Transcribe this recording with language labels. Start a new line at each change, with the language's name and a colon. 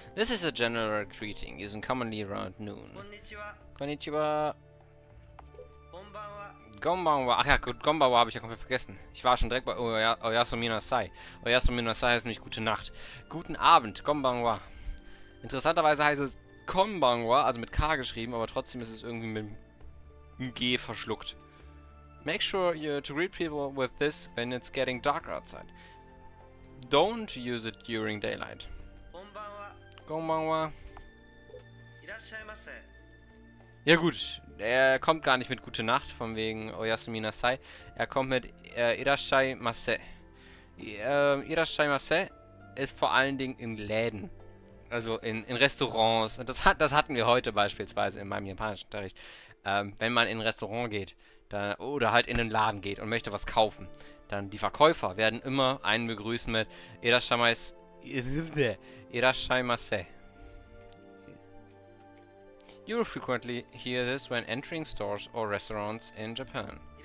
English: This is a general greeting, using commonly around noon.
Japanese: Konnichiwa. Gombanwa.
German: Ach ja, gut, Gombanwa habe ich ja komplett vergessen. Ich war schon direkt bei Oyasuminasai. Oyasuminasai heißt nämlich gute Nacht. Guten Abend, Gombanwa. Interessanterweise heißt es Kombanwa, also mit K geschrieben, aber trotzdem ist es irgendwie mit einem G verschluckt.
English: Make sure you to greet people with this when it's getting darker outside. Don't use it during daylight.
Japanese: Konbanwa. Konbanwa. Irasshaimase.
German: Ja gut, er kommt gar nicht mit Gute Nacht, von wegen Oyasuminasai. Er kommt mit Irasshaimase. Irasshaimase ist vor allen Dingen in Läden. Also in Restaurants. Und das hatten wir heute beispielsweise in meinem japanischen Unterricht. Wenn man in ein Restaurant geht, dann, oder halt in einen Laden geht und möchte was kaufen, dann die Verkäufer werden immer einen begrüßen mit Irasshaimase.
English: You will frequently hear this when entering stores or restaurants in Japan.